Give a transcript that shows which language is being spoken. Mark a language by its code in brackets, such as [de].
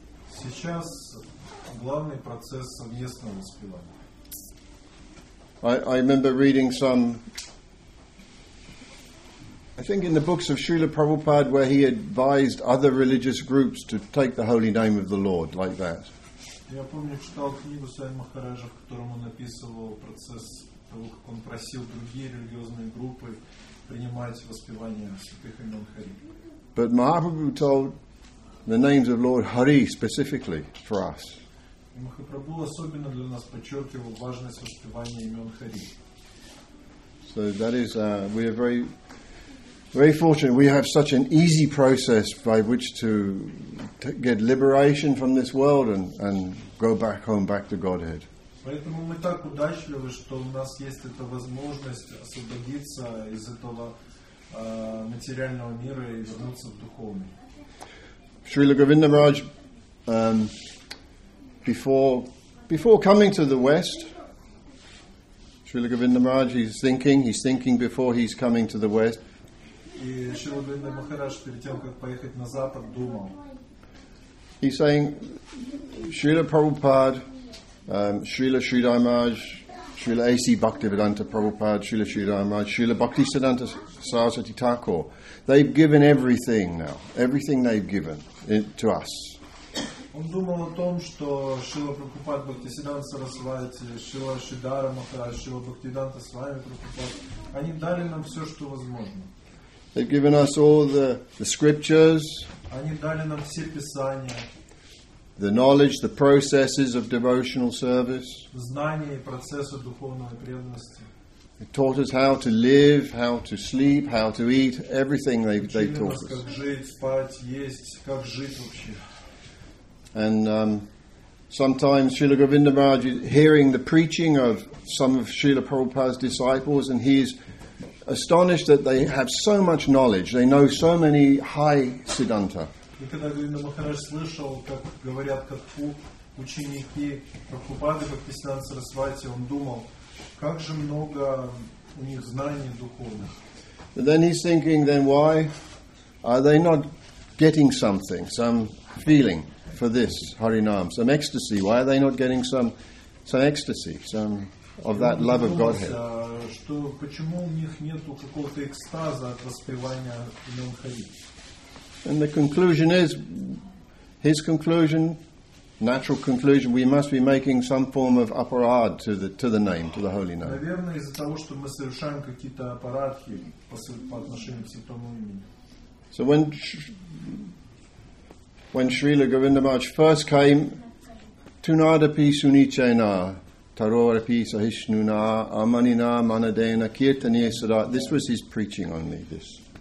[ru] Сейчас главный процесс совместного воспевания. [en] I remember reading some, I think in the books of Srila Prabhupada, where he advised other religious groups to take the holy name of the Lord like that. [ru] Я помню, читал книгу Сай Махараджа, в котором он описывал процесс того, как он просил другие религиозные группы принимать воспевание святых имен Хари. [en] But Mahaprabhu told the names of Lord Hari specifically for us. [ru] Махапрабху особенно для нас подчеркивал важность воспевания имен Хари. [en] So that is, we are very, very fortunate. We have such an easy process by which to get liberation from this world and go back home, back to Godhead. [ru] Поэтому мы так удачливы, что у нас есть эта возможность освободиться из этого материального мира и вернуться в духовный. [en] Srila Govinda Maharaj, before before coming to the West, Srila Govinda Maharaj, he's thinking before he's coming to the West. He's saying, Srila Prabhupada, Srila Sridhar Maharaj, Srila A.C. Bhaktivedanta Prabhupada, Srila Sridhar Maharaj, Srila Bhaktisiddhanta Saraswati Thakur, they've given everything now, everything they've given to us. [ru] Он думал о том, что Шрила Прабхупад Бхактисиддханта Сарасвати, Шрила Шридхара Махарадж, Шрила Бхактисиддханта Свами Прабхупад, они дали нам все, что возможно. [en] They've given us all the scriptures. [ru] Они дали нам все писания. [en] The knowledge, the processes of devotional service. [ru] Знания и процессы духовной преданности. [en] They taught us how to live, how to sleep, how to eat, everything they taught us. [ru] Как жить, спать, есть, как жить вообще. [en] And sometimes Srila Govinda Maharaj is hearing the preaching of some of Srila Prabhupada's disciples, and he's astonished that they have so much knowledge. They know so many high siddhanta. [ru] И когда Говинда Махарадж слышал, как говорят катху ученики Прабхупады, как писанцы Расвати, он думал, как же много у них знаний духовных. [en] But then he's thinking, then why are they not getting something, some feeling? For this Harinam, some ecstasy. Why are they not getting some ecstasy, some of that love of Godhead? [ru] Что почему у них нету какого-то экстаза от воспевания имен Хари? [en] And the conclusion is, his conclusion, natural conclusion. We must be making some form of aparad to the name, to the holy name. [ru] Наверное, из-за того, что мы совершаем какие-то апарадхи по отношению к святому имени. [en] So when Srila Govinda Maharaj first came, [sa] Tunadapi Sunichena, Tarorapi Sahishnuna, Amanina, Manadena, Kirtaniya Sada, [en] this was his preaching only, this.